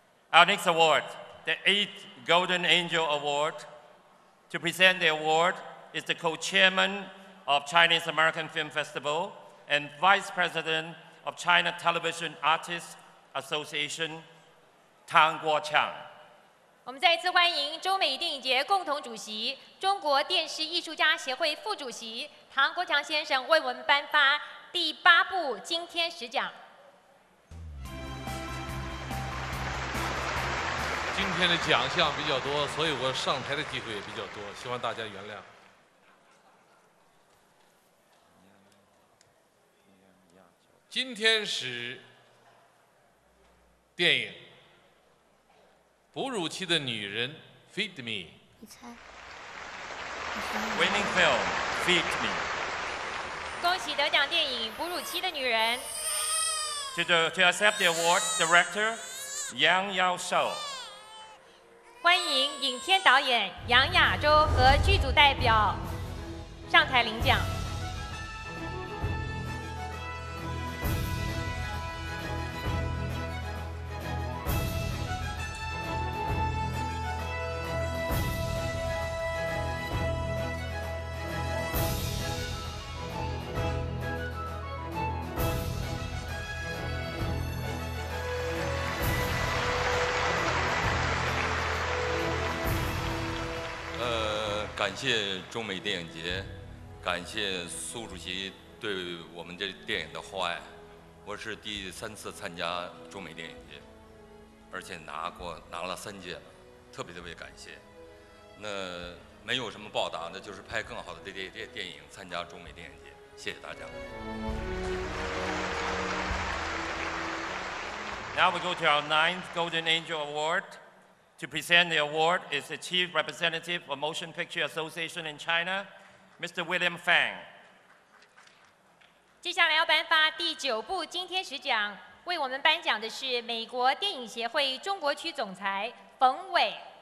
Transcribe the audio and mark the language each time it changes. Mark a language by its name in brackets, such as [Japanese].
[English] Our next award, the 8th Golden Angel Award. To present the award is the co-chairman of Chinese American Film Festival and vice president of China Television Artists Association, Tang Guoqiang. [Chinese] 我们再次欢迎中美电影节共同主席、中国电视艺术家协会副主席唐国强先生为我们颁发第八部金天使奖。今天的奖项比较多，所以我上台的机会也比较多，希望大家原谅。金天使电影哺乳期的女人 Feed Me 你猜 [English] Winning Film Feed Me [Chinese] 恭喜得奖电影哺乳期的女人 [English] To accept the award Director Yang Yao Shou [Chinese] 欢迎影片导演杨亚洲和剧组代表上台领奖感谢中美电影节，感谢苏主席对我们这电影的厚爱。我是第三次参加中美电影节，而且拿了三届了，特别感谢。那没有什么报答，那就是拍更好的电影，参加中美电影节。谢谢大家。 [English] Now we go to our ninth Golden Angel Award. To present the award is the Chief Representative of Motion Picture Association in China, Mr. William Fang. [Chinese] 接下来要颁发第九部金天使奖，为我们颁奖的是美国电影协会中国区总裁冯伟。